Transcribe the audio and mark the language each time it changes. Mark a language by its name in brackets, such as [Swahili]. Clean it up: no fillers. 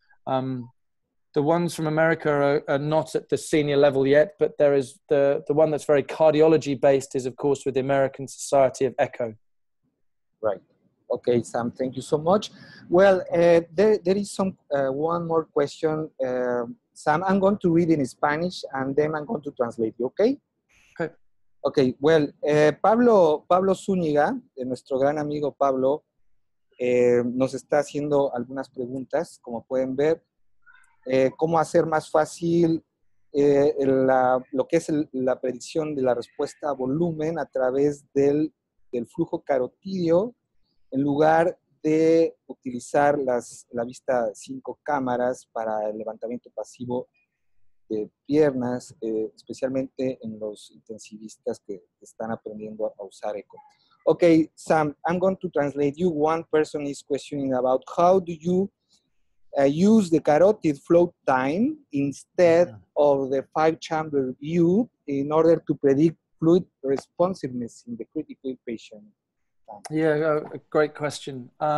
[English] The ones from America are not at the senior level yet, but there is the one that's very cardiology based is, of course, with the American Society of Echo. Right. Okay, Sam, thank you so much. Well, there is some one more question. Sam, I'm going to read in Spanish and then I'm going to translate you, okay? Okay, [Spanish] well, Pablo Zúñiga, nuestro gran amigo Pablo, nos está haciendo algunas preguntas, como pueden ver. ¿Cómo hacer más fácil la predicción de la respuesta a volumen a través del flujo carotidio en lugar de utilizar la vista cinco cámaras para el levantamiento pasivo de piernas, especialmente en los intensivistas que están aprendiendo a usar eco? [English] Okay, Sam, I'm going to translate you. One person is questioning about how do you use the carotid float time instead of the five-chamber view in order to predict fluid responsiveness in the critical patient. Yeah, a great question.